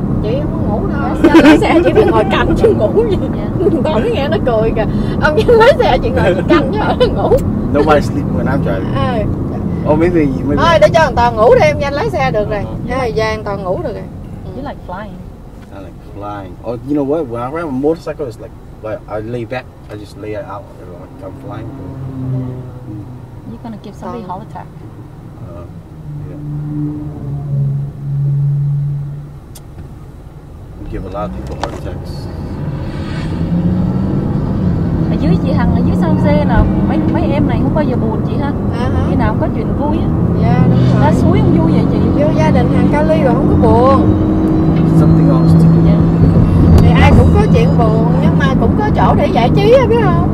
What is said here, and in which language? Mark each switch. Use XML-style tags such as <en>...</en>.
<vi>Chị không ngủ đâu. Lấy xe chị phải ngồi cạnh chứ ngủ gì. Con nghe nó cười kìa. Ông chứ lấy xe chị ngồi cạnh chứ ngủ.</vi> <en>Nobody sleep when I'm driving. Oh, maybe you might.</en> <vi>Thôi để cho anh Toàn ngủ đi, em nhanh lái xe được rồi. Hai giờ anh Toàn ngủ được rồi.</vi> <en>You like flying. I like flying. Oh, you know what? When I ride a motorcycle, it's like I lay back, I just lay it out, and I'm flying. Yeah. Mm. You're gonna give somebody a heart attack. Yeah. We give a lot of people heart attacks.</en> <vi>Ở dưới chị Hằng, ở dưới sông Xê nào, mấy em này không bao giờ buồn chị ha. Khi nào có chuyện vui á. Dạ, đúng rồi. Lá suối không vui vậy chị? Vô gia đình Hằng Cali rồi không có buồn.</vi> <en>Something else to do. Yeah.</en> <vi>Thì ai cũng có chuyện buồn, nhưng mà cũng có chỗ để giải trí á, biết không?</vi>